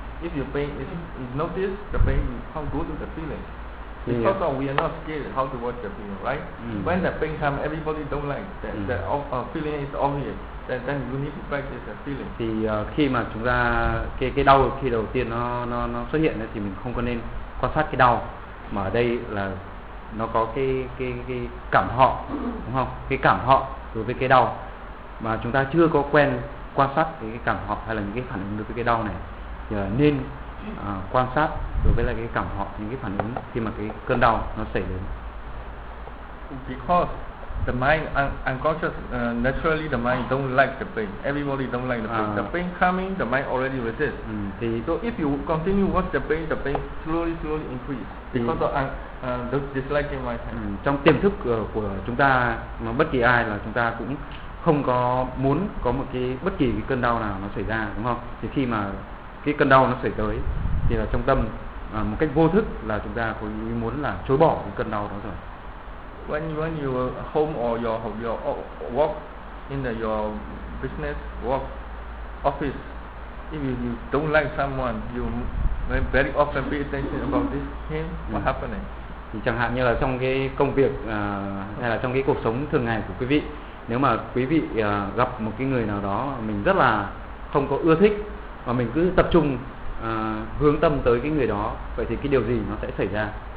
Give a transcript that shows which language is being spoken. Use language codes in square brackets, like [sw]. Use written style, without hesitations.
[en] If your pain, if you notice the pain, how good is the feeling? Because yeah. Of we are not scared how to watch the pain, right? Mm. When the pain comes, everybody don't like that. Mm. That feeling is obvious. Then you need to practice the feeling. [vi] Thì khi mà chúng ta cái đau khi đầu tiên nó xuất hiện thì mình không có nên quan sát cái đau, mà ở đây là nó có cái cảm họ, đúng không? Cái cảm họ đối với cái đau mà chúng ta chưa có quen quan sát cái cảm họ hay là những cái phản ứng đối với cái đau này, thì nên quan sát đối với là cái cảm họ, những cái phản ứng khi mà cái cơn đau nó xảy đến. [en] Because the mind unconscious naturally the mind don't like the pain. Everybody don't like the pain. The pain coming, the mind already resist. [vi] Thì [en] so if you continue watch the pain slowly increase because of disliking my pain. [vi] Trong tiềm thức của chúng ta, mà bất kỳ ai là chúng ta cũng không có muốn có một cái bất kỳ cái cơn đau nào nó xảy ra, đúng không? Thì khi mà cái cơn đau nó xảy tới, thì là trong tâm một cách vô thức là chúng ta có ý muốn là chối bỏ cái cơn đau đó rồi. [en] When you home or your work in the your business work office, if you don't like someone, you very often pay attention about this him what happening. [vi] Thì chẳng hạn như là trong cái công việc hay là trong cái cuộc sống thường ngày của quý vị, nếu mà quý vị gặp một cái người nào đó mình rất là không có ưa thích và mình cứ tập trung hướng tâm tới cái người đó, vậy thì cái điều gì nó sẽ xảy ra?